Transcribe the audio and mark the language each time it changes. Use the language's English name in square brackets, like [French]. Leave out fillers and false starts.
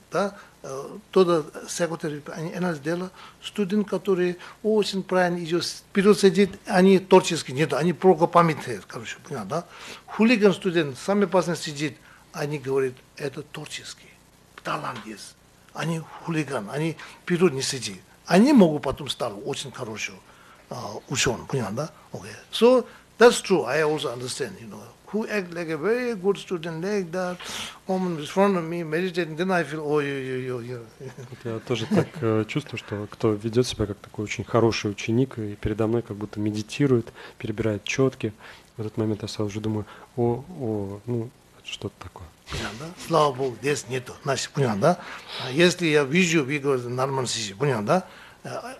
[Russian] Да, тогда секретарь, они она сделала студент, который очень правильно идет, вперед сидит, они творческие нет, они плохо памятают, короче, понял, да? Хулиган студент, самый опасный сидит, они говорят, это творческий, талант есть, они хулиган, они вперед не сидит, они могут потом стать очень хорошим ученым, понял, да? [English] Okay. So that's true, I also understand, you know. Who act like a very good student like that, woman in front of me meditating, then I feel, oh, you. [Russian] Я тоже так чувствую, что кто ведет себя как такой очень хороший ученик и передо мной как будто медитирует, перебирает четки. В этот момент я сразу же думаю, о, ну что-то такое. Понятно, да? Слава Богу, здесь нету. Значит, понятно, да? Если я вижу, вы говорите, нормально сидит, понятно, да?